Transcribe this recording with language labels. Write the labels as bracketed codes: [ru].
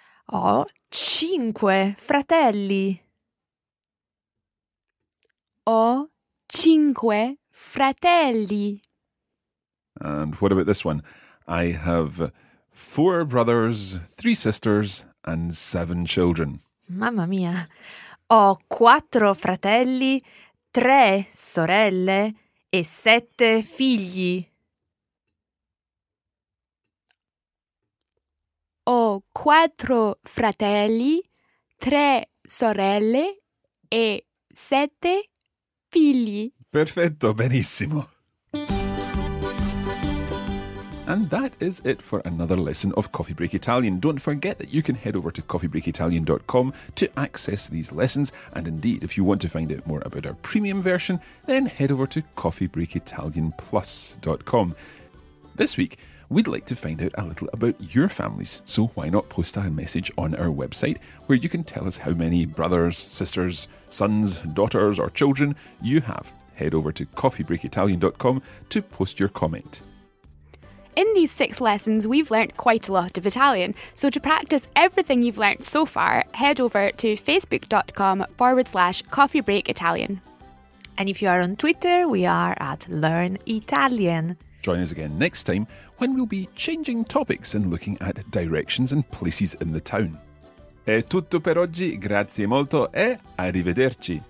[it] Ho cinque fratelli. Ho cinque fratelli. [en] And what about this one? I have 4 brothers, 3 sisters, and 7 children. [it] Mamma mia. Ho 4 fratelli, 3 sorelle, e 7 figli. Ho 4 fratelli, 3 sorelle, e 7 figli. Perfetto, benissimo. [en] And that is it for another lesson of Coffee Break Italian. Don't forget that you can head over to coffeebreakitalian.com to access these lessons. And indeed, if you want to find out more about our premium version, then head over to coffeebreakitalianplus.com. This week, we'd like to find out a little about your families. So why not post a message on our website where you can tell us how many brothers, sisters, sons, daughters or children you have. Head over to coffeebreakitalian.com to post your comment. In these 6 lessons, we've learnt quite a lot of Italian. So to practice everything you've learnt so far, head over to facebook.com/coffeebreakitalian. And if you are on Twitter, we are at Learn Italian. Join us again next time when we'll be changing topics and looking at directions and places in the town. [it] È tutto per oggi. Grazie molto e arrivederci.